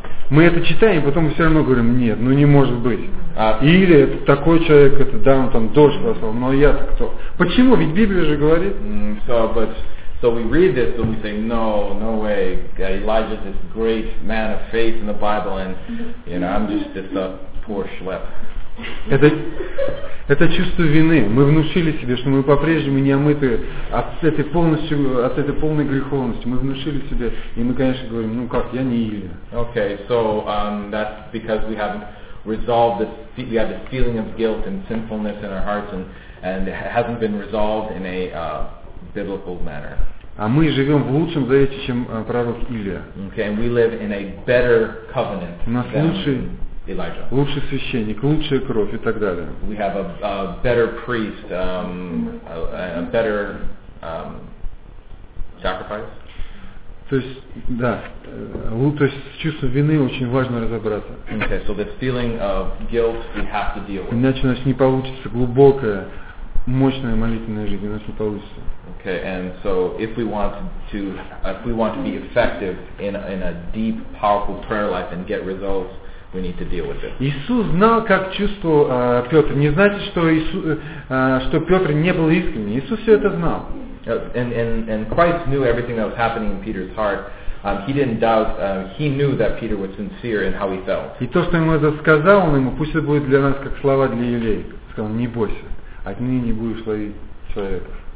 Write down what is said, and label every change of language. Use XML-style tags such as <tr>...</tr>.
<ru>Мы это читаем, потом мы все равно говорим, нет, ну не может быть. Или это такой человек, это да, он там дождь послал, но я-то кто? Почему? Ведь Библия же говорит.</ru> <en>So we read this, and we say, no way. Elijah is this great man of faith in the Bible, and, you know, I'm just this poor schlep.</en> <ru>Это чувство вины. Мы внушили себе, что мы по-прежнему не омыты от этой полной греховности. Мы внушили себе, и мы, конечно, говорим, ну как, я не Илья.</ru> <en>Okay, so that's because we haven't resolved this, we have this feeling of guilt and sinfulness in our hearts, and it hasn't been resolved in a biblical manner.</en> <ru>А мы живем в лучшем завете, чем пророк Илия.</ru> <en>Okay, and we live in a better covenant.</en> <ru>У нас лучший.</ru> <en>Elijah.</en> <ru>Лучший священник, лучшая кровь и так далее.</ru> <en>We have a better priest, a better sacrifice.</en> <ru>То есть, да, то есть чувство вины очень важно разобраться.</ru> <en>Okay, so this feeling of guilt we have to deal with.</en> <ru>Иначе у нас не получится глубокая, мощная молитвенная жизнь, у нас не получится.</ru> <en>Okay, and so if we want to be effective in a deep, powerful prayer life and get results, we need to deal with it.</en> <ru>Иисус знал, как чувствовал Петр. Не значит, что Петр не был искренним. Иисус все это знал.</ru> <en>And Christ knew everything that was happening in Peter's heart. He didn't doubt. He knew that Peter was sincere in how he felt.</en> <ru>И то, что ему это сказал, он ему, пусть это будет для нас как слова для Елей. Сказал, не бойся, отныне не будешь ловить человека.</ru>